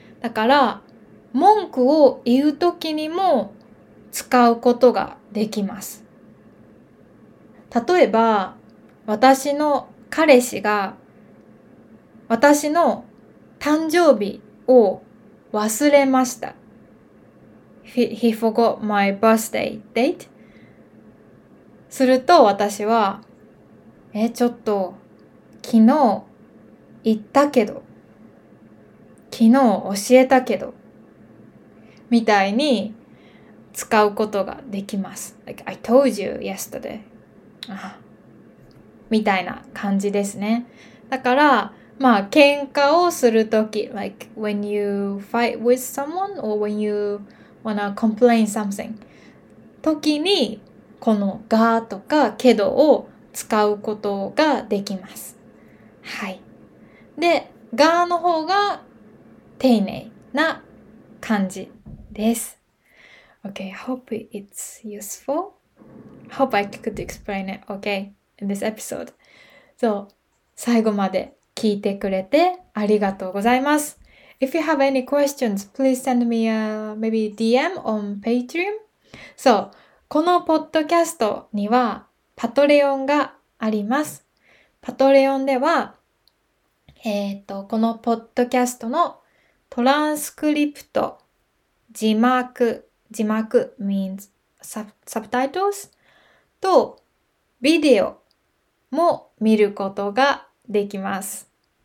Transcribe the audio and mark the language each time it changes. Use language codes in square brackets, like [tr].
[ja] だから、文句を言うときにも使うことができます。例えば、私の彼氏が、私の誕生日を忘れました。 [en] He forgot my birthday date. [ja] すると私は、ちょっと、昨日言ったけど、昨日教えたけど、みたいに使うことができます。 [en] Like, I told you yesterday. [ja] みたいな感じですね。だから、まあ、喧嘩をするとき、 [en] like when you fight with someone or when you wanna complain something [ja] ときに、このがとかけどを使うことができます。はい。で、がの方が丁寧な感じです。 [en] Okay, hope it's useful. Hope I could explain it, okay, in this episode. So, [ja] 最後まで聞いてくれてありがとうございます。 [en] If you have any questions, please send me a maybe DM on Patreon. So, [ja] このポッドキャストにはパトレオンがあります。パトレオンでは、このポッドキャストのトランスクリプト、字幕 [en] means subtitles [ja] とビデオも見ることができます。